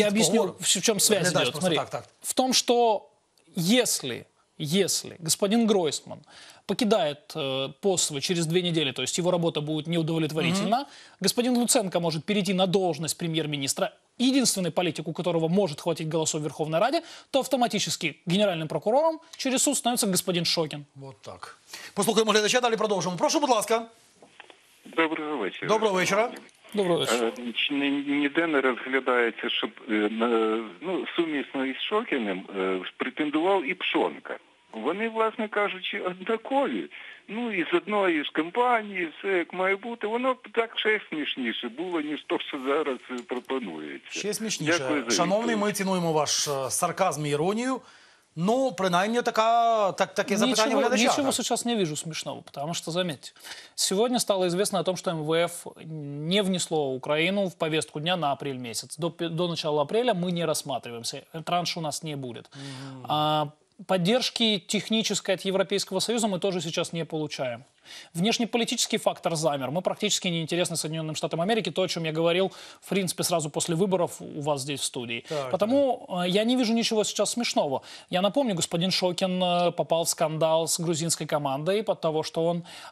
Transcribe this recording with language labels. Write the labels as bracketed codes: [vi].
[ru] Я объясню, в чем связь идет. Смотри, в том, что если господин Гройсман покидает пост через две недели, то есть его работа будет неудовлетворительна, господин Луценко может перейти на должность премьер-министра, единственный политик, у которого может хватить голосов в Верховной Раде, то автоматически генеральным прокурором через суд становится господин Шокин. Вот так. Послушаем глядача, далее продолжим. [uk] Прошу, будь ласка. [ru] Доброго вечера. Доброго вечера. [uk] Ніде не розглядається, щоб сумісно із Шокіним претендував і Пшонка. Вони, власне кажучи, однакові. Ну, і з одної ж компанії, все як має бути. Воно так ще смішніше було, ніж то, що зараз пропонується. Ще смішніше. Шановний, ми цінуємо ваш сарказм і іронію. Ну, принаймні, таке запитання глядача. Нічого зараз не бачу смішного, тому що, заметьте, сьогодні стало відомо про те, що МВФ не внесло Україну в повістку дня на апрель місяць. До початку апреля ми не розглядаємося, транш у нас не буде. [ru] Поддержки технической от Европейского Союза мы тоже сейчас не получаем. Внешнеполитический фактор замер. Мы практически не интересны Соединенным Штатам Америки. То, о чем я говорил, в принципе, сразу после выборов у вас здесь в студии. Так, потому я не вижу ничего сейчас смешного. Я напомню, господин Шокин попал в скандал с грузинской командой под того, что он...